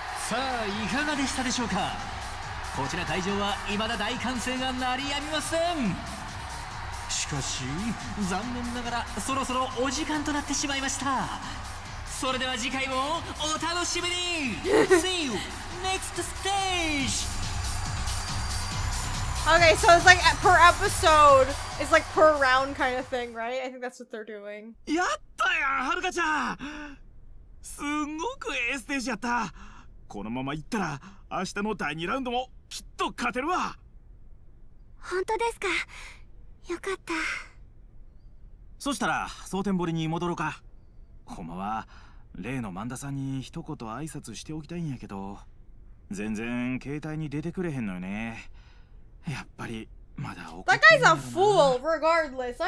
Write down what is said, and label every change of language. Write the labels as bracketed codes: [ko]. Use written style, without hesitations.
[ja] さあ、いかがでしたでしょうか。こちら会場は未だ大歓声が鳴りやみません。しかし、残念ながらそろそろお時間となってしまいました。それでは次回もお楽しみに。 [en] See you next stage. Okay, so it's like per episode. It's like per round kind of thing, right? I think that's what they're doing. [ja] やったやん、はるかちゃん。すんごくエステージやった。このままいったら明日の第2ラウンドもきっと勝てるわ。本当ですか。よかった。そしたら蒼天堀に戻ろうか。ほんまは例のマンダさんに一言挨拶しておきたいんやけど、全然携帯に出てくれへんのよね。やっぱりまだ [en] That guy's a fool regardless.